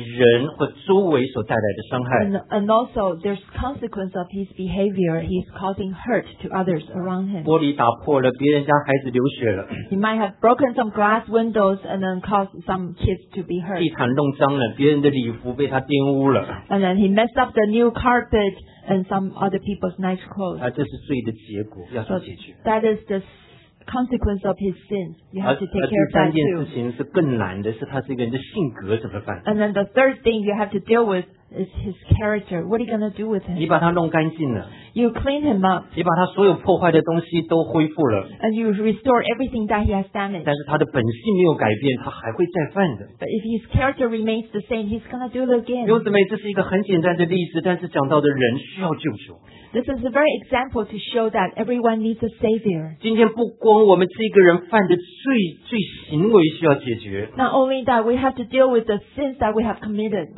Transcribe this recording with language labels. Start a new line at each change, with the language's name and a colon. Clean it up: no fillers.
Chinese: 第二件事情是他所带来的结果给人或周围所带来的伤害。
English: And also there's consequence of his behavior. He's causing hurt to others around him.
Chinese: 玻璃打破了,别人家孩子流血了。
English: He might have broken some glass windows and then caused some kids to be hurt.
Chinese: 地毯弄脏了,别人的礼服被他玷污了。
English: And then he messed up the new carpet and some other people's nice clothes.
Chinese: 这是罪的结果,要解决。
English: So that is the consequence of his sins. You have to take care of that too.
Chinese: 第三件事情是更难的,是他这个人的性格怎么办?
English: And then the third thing you have to deal with is his character. What are you going to do with him?
Chinese: 你把他弄干净了。
English: You clean him up.
Chinese: 你把他所有破坏的东西都恢复了。
English: And you restore everything that he has damaged.
Chinese: 但是他的本性没有改变,他还会再犯的。
English: But if his character remains the same, he's going to do it again.
Chinese: 弟兄姊妹,这是一个很简单的例子,但是讲到的人需要救赎。
English: This is a very example to show that everyone needs a savior.
Chinese: 今天不光我们这个人犯的罪行为需要解决。
English: Not only that, we have to deal with the sins that we have committed.